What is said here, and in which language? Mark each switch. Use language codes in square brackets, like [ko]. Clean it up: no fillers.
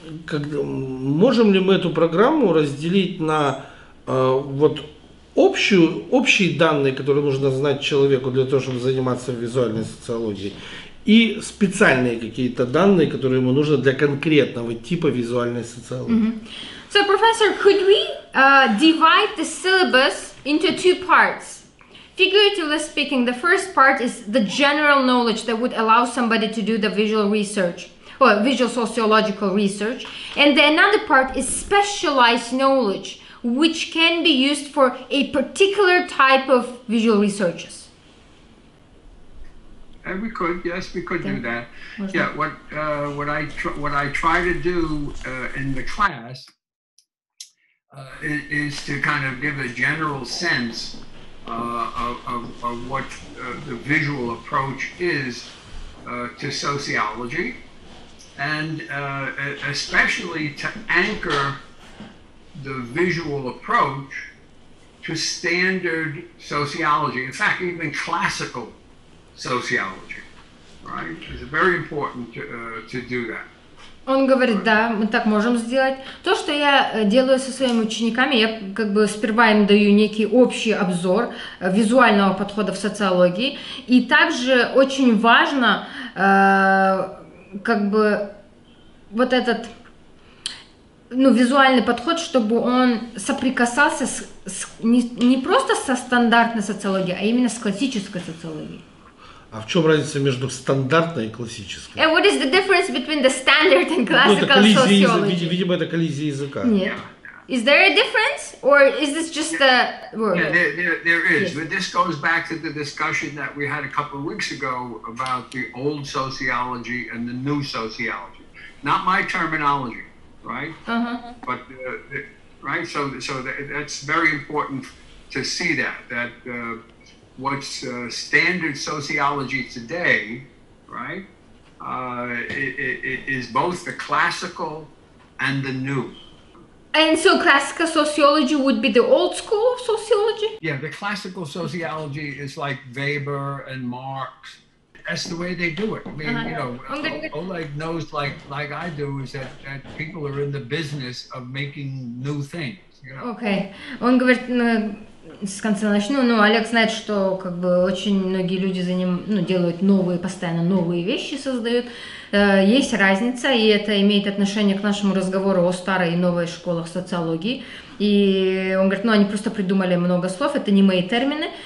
[ru] Можем ли мы эту программу разделить на общие данные, которые нужно знать человеку для того, чтобы заниматься визуальной социологией, и специальные какие-то данные, которые ему нужно для конкретного типа визуальной социологии. Mm-hmm. [en] So, professor, could we divide the syllabus into two parts? Figuratively speaking, the first part is the general knowledge that would allow somebody to do the visual research. Or visual sociological research. And the another part is specialized knowledge, which can be used for a particular type of visual researches. And we could, yes, we could do that. Yeah, what I try to do in the class is to kind of give a general sense of what the visual approach is to sociology, and especially to anchor the visual approach to standard sociology, in fact, even classical sociology, right? It's very important to do that. [ru] Он говорит, да, мы так можем сделать. То, что я делаю со своими учениками, я как бы сперва им даю некий общий обзор визуального подхода в социологии. И также очень важно, как бы, вот этот, ну, визуальный подход, чтобы он соприкасался с не просто со стандартной социологией, а именно с классической социологией. А в чем разница между стандартной и классической? [en] And what is the difference between the standard and classical sociology? [ru] Ну, видимо, это коллизия языка. Нет. [en] Is there a difference, or is this just the word? Yeah, there is. Yes. But this goes back to the discussion that we had a couple of weeks ago about the old sociology and the new sociology. Not my terminology, right? Uh-huh. But right. So that's very important to see that. What's standard sociology today, right, is both the classical and the new. And so classical sociology would be the old school of sociology? Yeah, the classical sociology is like Weber and Marx. That's the way they do it. I mean, you know, Oleg knows like I do is that people are in the business of making new things. You know? Okay. [ru] Он говорит, с конца начну. Ну, Олег знает, что как бы очень многие люди за ним, ну, делают новые, постоянно новые вещи создают. Есть разница, и это имеет отношение к нашему разговору о старой и новой школах социологии. И он говорит, ну, они просто придумали много слов, это не мои термины.